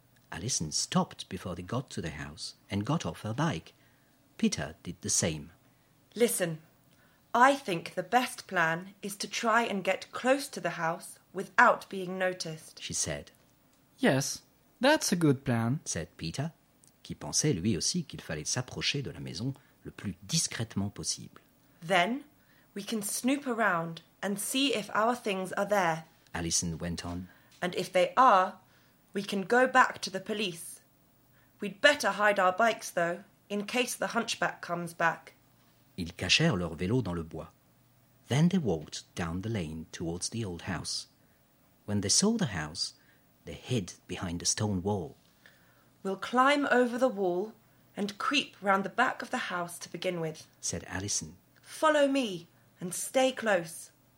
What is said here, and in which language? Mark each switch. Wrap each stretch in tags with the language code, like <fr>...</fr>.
<en>Alison stopped before they got to the house and got off her bike. Peter did the same. Listen, I think the best plan is to try and get close to the house without being noticed, she said. Yes, that's a good plan, said Peter,</en> <fr>qui pensait lui aussi qu'il fallait s'approcher de la maison le plus discrètement possible.</fr> <en>Then we can snoop around and see if our things are there, Alison went on. And if they are, we can go back to the police. We'd better hide our bikes, though, in case the hunchback comes back.</en> <fr>Ils cachèrent leur vélo dans le bois.</fr> <en>Then they walked down the lane towards the old house. When they saw the house, they hid behind a stone wall. We'll climb over the wall and creep round the back of the house to begin with, said Alison. Follow me and stay close.</en>